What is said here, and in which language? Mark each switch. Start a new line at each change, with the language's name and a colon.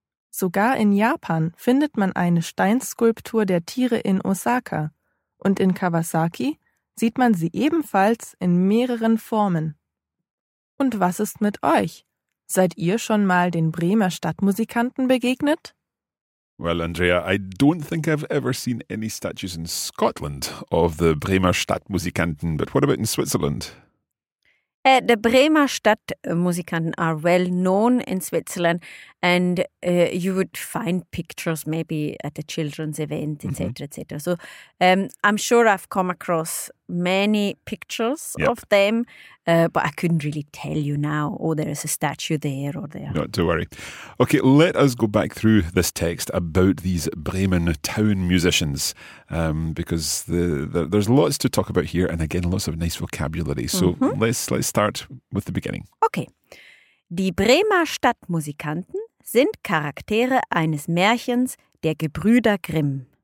German: Sogar in Japan findet man eine Steinskulptur der Tiere in Osaka. Und in Kawasaki sieht man sie ebenfalls in mehreren Formen. Und was ist mit euch? Seid ihr schon mal den Bremer Stadtmusikanten begegnet?
English: Well, Andrea, I don't think I've ever seen any statues in Scotland of the Bremer Stadtmusikanten, but what about in Switzerland? The Bremer Stadtmusikanten are well known in Switzerland, and you would find pictures maybe at the children's event, etc., mm-hmm. etc. So I'm sure I've come across many pictures yep. of them, but I couldn't really tell you now, oh, there is a statue there or there. Not to worry. Okay, let us go back through this text about these Bremen town musicians, because there's lots to talk about here, and again, lots of nice vocabulary. So mm-hmm. let's start with the beginning. Okay.
German: Die Bremer Stadtmusikanten sind Charaktere eines Märchens der Gebrüder Grimm.